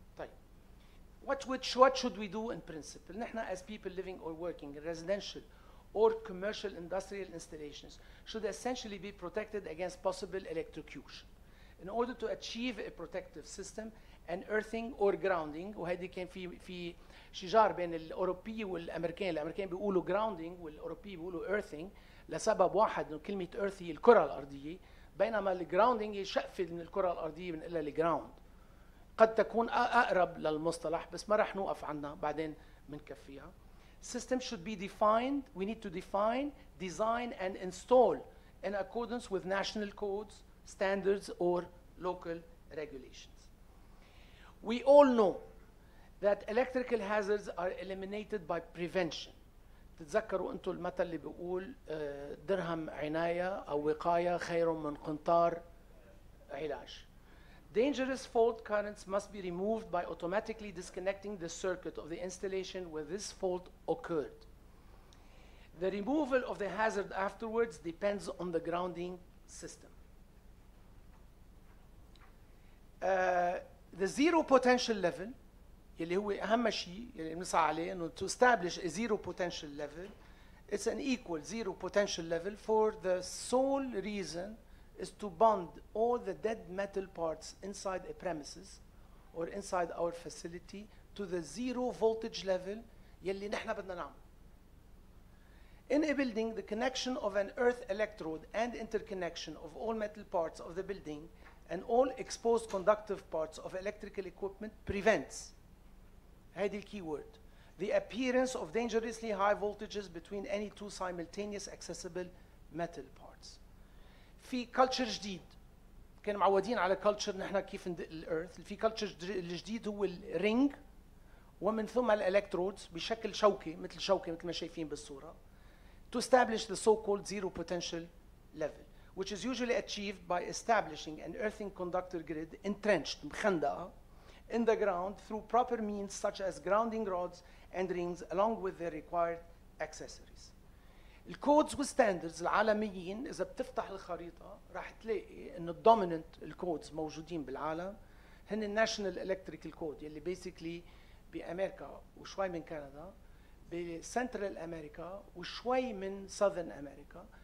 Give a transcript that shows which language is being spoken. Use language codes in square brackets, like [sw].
[en] طيب what should we do in principle؟ [ar] نحن [en] as people living or working in residential or commercial industrial installations should essentially be protected against possible electrocution. In order to achieve a protective system, an earthing or grounding, [ar] وهذه كان في شجار بين الأوروبي والأمريكان، الأمريكان بيقولوا grounding والأوروبي بيقولوا earthing لسبب واحد، إنه كلمة earth هي الكرة الأرضية، بينما الgrounding هي شقفة من الكرة الأرضية بنقلها الground. قد تكون أقرب للمصطلح بس ما رح نوقف عندها، بعدين منكفيها. [en] System should be defined. We need to define, design, and install in accordance with national codes, standards, or local regulations. We all know that electrical hazards are eliminated by prevention. [ar] تتذكروا أنتوا المثل اللي بيقول درهم عناية أو وقاية خير من قنطار علاج. [en] Dangerous fault currents must be removed by automatically disconnecting the circuit of the installation where this fault occurred. The removal of the hazard afterwards depends on the grounding system. The zero potential level, [ar] يلي هو أهم شيء يلي بنسعى عليه إنه [en] to establish a zero potential level, it's an equal zero potential level for the sole reason is to bond all the dead metal parts inside a premises or inside our facility to the zero voltage level [ar] يلي نحن بدنا نعمل. [en] In a building, the connection of an earth electrode and interconnection of all metal parts of the building and all exposed conductive parts of electrical equipment prevents, [ar] هيدي الكيورد, [en] the appearance of dangerously high voltages between any two simultaneous accessible metal parts. [ar] في culture جديد، كنا معودين على culture نحن كيف ندق الأرث. في culture الجديد هو الرينج ومن ثم الالكترودز بشكل شوكي، مثل شوكي مثل ما شايفين بالصورة. [en] To establish the so-called zero potential level, which is usually achieved by establishing an earthing conductor grid entrenched, [ar] مخندقة, [en] in the ground through proper means such as grounding rods and rings along with their required accessories. [ar] الكودز والستاندردز العالميين، إذا بتفتح الخريطة راح تلاقي إنه الدومينانت الكودز موجودين بالعالم هن الناشونال إلكتريكال كود يلي بيسيكلي بأمريكا وشوي من كندا، بسنترال أمريكا وشوي من ساذرن أمريكا.